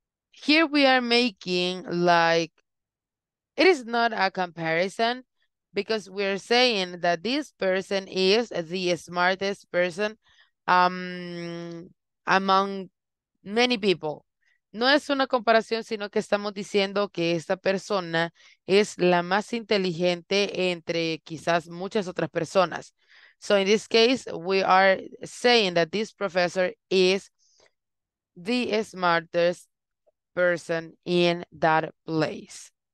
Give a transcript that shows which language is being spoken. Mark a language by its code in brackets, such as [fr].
[en] Here we are making like, it is not a comparison because we're saying that this person is the smartest person among Many people. [es] No es una comparación, sino que estamos diciendo que esta persona es la más inteligente entre quizás muchas otras personas. [en] So in this case, we are saying that this professor is the smartest person in that place.